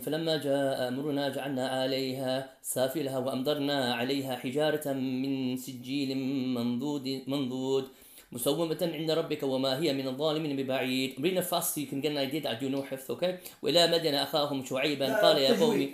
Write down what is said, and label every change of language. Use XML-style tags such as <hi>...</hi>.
<ar>فلما جاء أمرنا جعلنا عليها سافلها وأمدرنا عليها حجارة من سجيل منضود مسومة عند ربك وما هي من الظالمين ببعيد.</ar> <en>Read it fast so you can get an idea that I do know حفظ, okay?</en> <ar>وإلى مدين أخاهم شعيبا قال يا قومي.</ar>